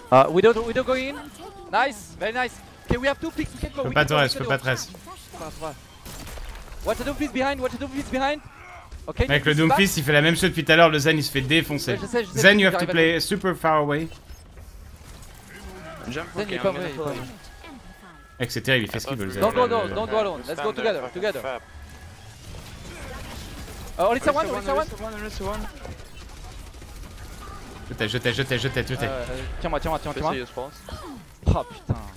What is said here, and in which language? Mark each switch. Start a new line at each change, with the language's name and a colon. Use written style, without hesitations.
English: Widow go in. Nice, very nice. Okay, we have two picks, we can go.
French: Peux pas Thérèse, peux pas Thérèse.
English: What's the Doomfist behind? What's the Doomfist behind?
French: Okay, mec, le Doomfist il fait la même chose depuis tout à l'heure, le Zen il se fait défoncer. Ouais, je sais,
English: Zen, you have to play super far away. Zen,
French: il est pas vrai. Mec, c'est terrible, il fait ce qu'il veut, le Zen.
English: Don't go alone, let's go together. Orisa one, Orisa one.
French: Je t'ai. Tiens-moi. Oh putain.